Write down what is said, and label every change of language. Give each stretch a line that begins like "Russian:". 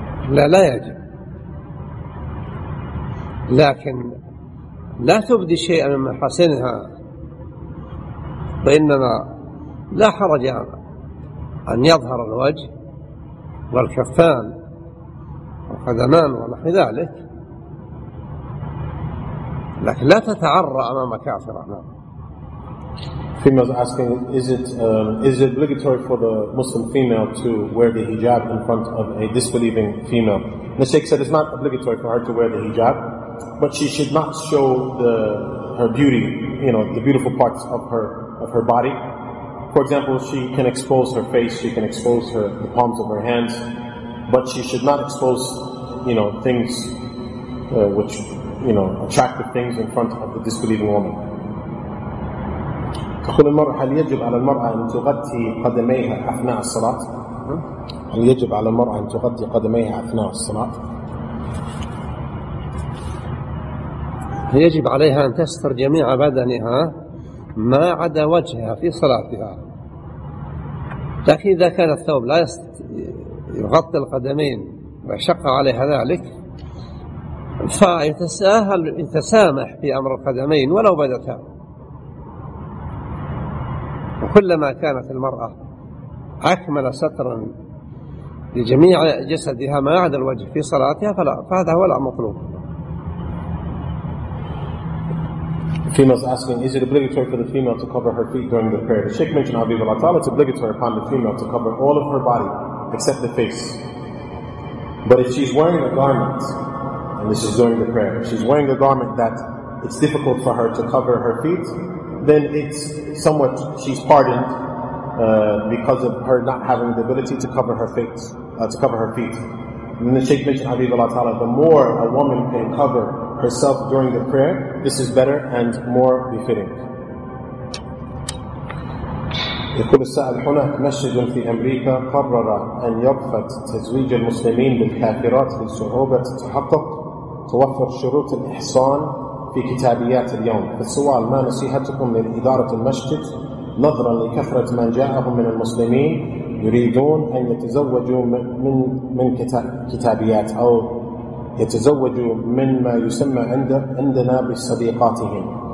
Arabic: لا يجب، لكن لا تبدي شيئا من محاسنها، فإنما لا حرج أن يظهر الوجه والكفان والقدمان ونحو ذلك، لكن لا تتعرى أمام كافرة.
English: Female is asking, is it obligatory for the Muslim female to wear the hijab in front of a disbelieving female? The Sheikh said it's not obligatory for her to wear the hijab, but she should not show her beauty, you know, the beautiful parts of her body. For example, she can expose her face, she can expose the palms of her hands, but she should not expose, you know, things which, you know, attractive things in front of the disbelieving woman.
Arabic: تقول المرأة هل يجب على المرأة أن تغطي قدميها أثناء الصلاة؟ هل يجب على المرأة أن تغطي قدميها أثناء الصلاة؟ يجب عليها أن تستر جميع بدنها ما عدا وجهها في صلاتها، لكن إذا كان الثوب لا يغطي القدمين وشق عليها ذلك فيتساهل يتسامح في أمر القدمين ولو بدتا. وكلما كانت المرأة أكمل سترا لجميع جسدها ما عدا الوجه في صلاتها فهذا هو الأمر المطلوب.
English: Females asking, is it obligatory for the female to cover her feet during the prayer? The Sheikh mentioned, Habibullah Ta'ala, it's obligatory upon the female to cover all of her body except the face. But if she's wearing a garment, and this is during the prayer, if she's wearing a garment that it's difficult for her to cover her feet, then it's somewhat, she's pardoned because of her not having the ability to cover her face, to cover her feet. And the Sheikh mentioned, Habibullah Ta'ala, the more a woman can cover herself during the prayer, this is better and more befitting.
Arabic: يقول السائل هناك مسجد في أمريكا قرر أن يرفض تزويج المسلمين بالكافرات لصعوبة تحقق توفر شروط الإحصان في كتابيات اليوم. فالسؤال: ما نصيحتكم لإدارة المسجد نظرا لكثرة من جاءهم من المسلمين يريدون أن يتزوجوا من كتابيات أو يتزوجوا من ما يسمى عندنا بصديقاتهم؟